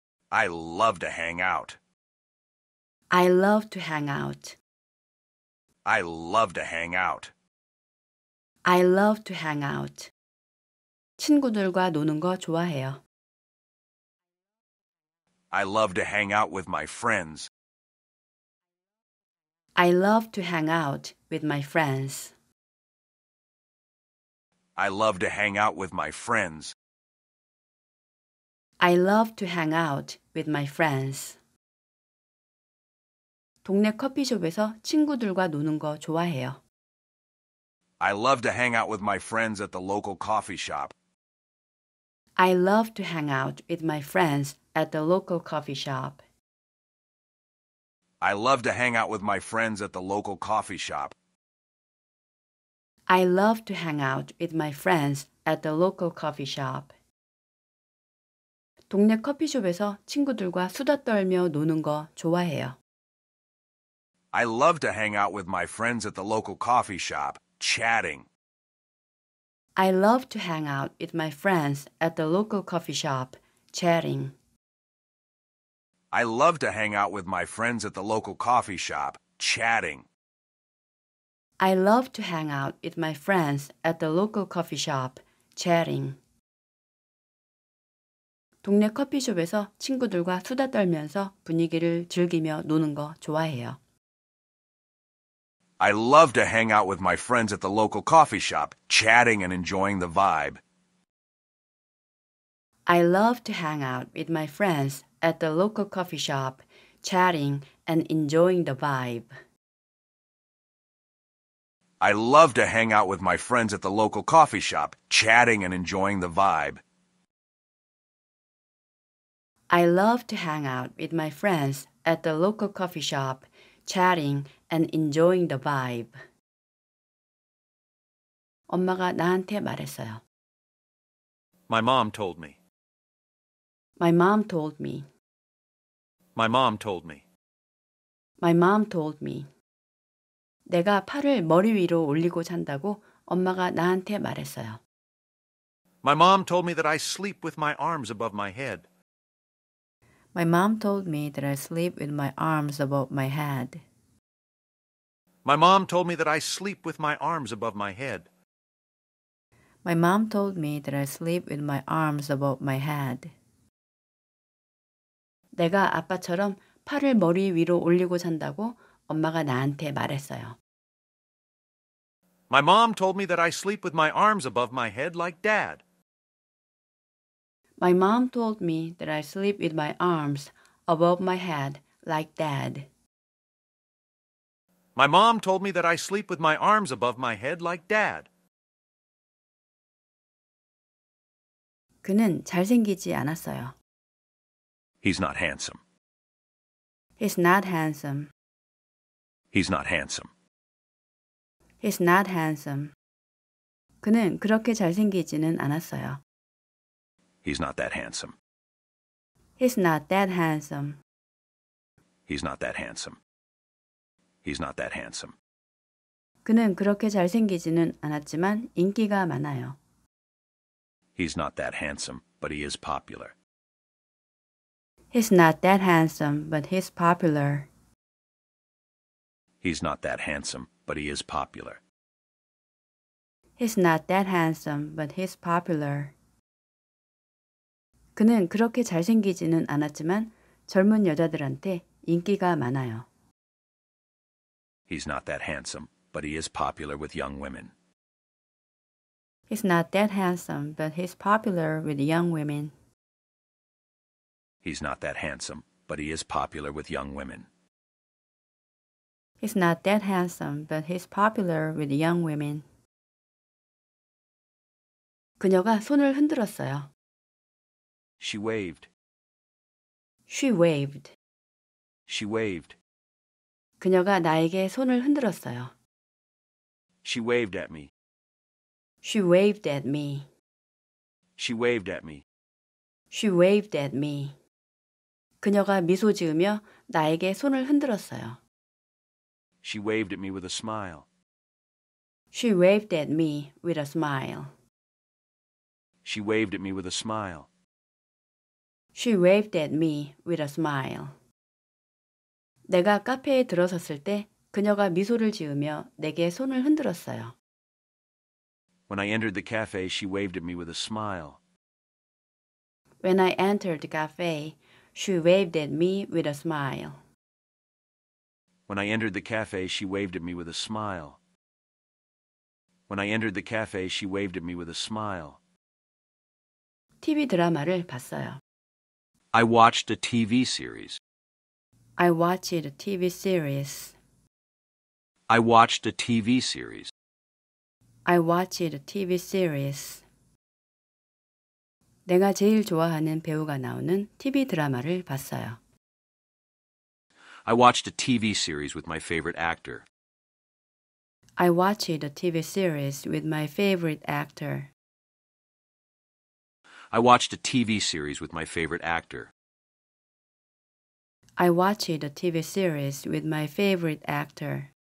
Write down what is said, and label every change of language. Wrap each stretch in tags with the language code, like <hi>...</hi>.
<en>I love to hang out. I love to hang out. I love to hang out. I love to hang out.</en> <ko>친구들과 노는 거 좋아해요.</ko> <en>I love to hang out with my friends. I love to hang out with my friends. I love to hang out with my friends. I love to hang out with my friends.</en> <ko>동네 커피숍에서 친구들과 노는 거 좋아해요.</ko> <en>I love to hang out with my friends at the local coffee shop. I love to hang out with my friends at the local coffee shop. I love to hang out with my friends at the local coffee shop. I love to hang out with my friends at the local coffee shop.</en> <ko>동네 커피숍에서 친구들과 수다 떨며 노는 거 좋아해요.</ko> <en>I love to hang out with my friends at the local coffee shop, chatting. I love to hang out with my friends at the local coffee shop, chatting. I love to hang out with my friends at the local coffee shop, chatting. I love to hang out with my friends at the local coffee shop, chatting.</en> <ko>동네 커피숍에서 친구들과 수다 떨면서 분위기를 즐기며 노는 거 좋아해요.</ko> <en>I love to hang out with my friends at the local coffee shop, chatting and enjoying the vibe. I love to hang out with my friends at the local coffee shop, chatting and enjoying the vibe. I love to hang out with my friends at the local coffee shop, chatting and enjoying the vibe. I love to hang out with my friends at the local coffee shop, chatting and enjoying the vibe.</en> <ko>엄마가 나한테 말했어요.</ko> <en>My mom told me. My mom told me. My mom told me. My mom told me.</en> <ko>내가 팔을 머리 위로 올리고 잔다고 엄마가 나한테 말했어요.</ko> <en>My mom told me that I sleep with my arms above my head. My mom told me that I sleep with my arms above my head. My mom told me that I sleep with my arms above my head. My mom told me that I sleep with my arms above my head.</en> <ko>내가 아빠처럼 팔을 머리 위로 올리고 잔다고 엄마가 나한테 말했어요.</ko> <en>My mom told me that I sleep with my arms above my head like dad. My mom told me that I sleep with my arms above my head like dad. My mom told me that I sleep with my arms above my head like dad.</en> <ko>그는 잘생기지 않았어요.</ko> <en>He's not handsome. He's not handsome. He's not handsome. He's not handsome.</en> <ko>그는 그렇게 잘생기지는 않았어요.</ko> <en>He's not that handsome. He's not that handsome. He's not that handsome. He's not that handsome.</en> <ko>그는 그렇게 잘생기지는 않았지만 인기가 많아요.</ko> <en>He's not that handsome, but he is popular. He's not that handsome, but he's popular. He's not that handsome, but he is popular. He's not that handsome, but he's popular.</en> <ko>그는 그렇게 잘생기지는 않았지만 젊은 여자들한테 인기가 많아요.</ko> <en>He's not that handsome, but he is popular with young women. He's not that handsome, but he's popular with young women. He's not that handsome, but he is popular with young women. He's not that handsome, but he's popular with young women.</en> <ko>그녀가 손을 흔들었어요.</ko> <en>She waved. She waved. She waved.</en> <ko>그녀가 나에게 손을 흔들었어요.</ko> <en>She waved at me. She waved at me. She waved at me. She waved at me.</en> <ko>그녀가 미소 지으며 나에게 손을 흔들었어요.</ko> <en>She waved at me with a smile. She waved at me with a smile. She waved at me with a smile. She waved at me with a smile.</en> <ko>내가 카페에 들어섰을 때 그녀가 미소를 지으며 내게 손을 흔들었어요.</ko> <en>When I entered the cafe, she waved at me with a smile. When I entered the cafe, she waved at me with a smile. When I entered the cafe, she waved at me with a smile. When I entered the cafe, she waved at me with a smile.</en> <ko>TV 드라마를 봤어요.</ko> <en>I watched a TV series. I watched a TV series. I watched a TV series. I watched a TV series.</en> <ko>내가 제일 좋아하는 배우가 나오는 TV 드라마를 봤어요.</ko> <en>I watched a TV series with my favorite actor. I watched a TV series with my favorite actor. I watched a TV series with my favorite actor. I watched a TV series with my favorite actor.</en>